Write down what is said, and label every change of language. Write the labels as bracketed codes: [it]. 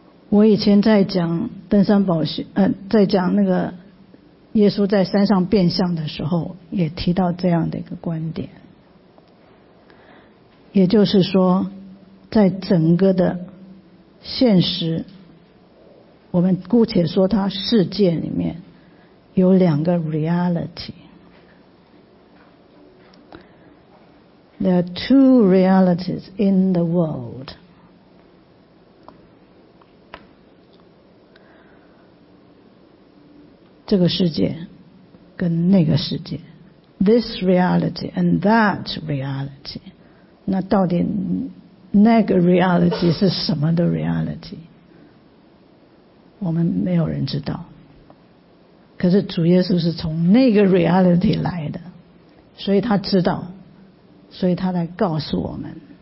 [zh] 我以前在讲登山宝训，在讲那个耶稣在山上变相的时候，也提到这样的一个观点，也就是说，在整个的现实，我们姑且说它世界里面有两个 reality， [en] There are two realities in the world. This reality and that reality. [zh] 那到底那个 reality 是什么的 reality? 我们没有人知道。可是主耶稣是从那个 reality 来的，所以他知道，所以他来告诉我们。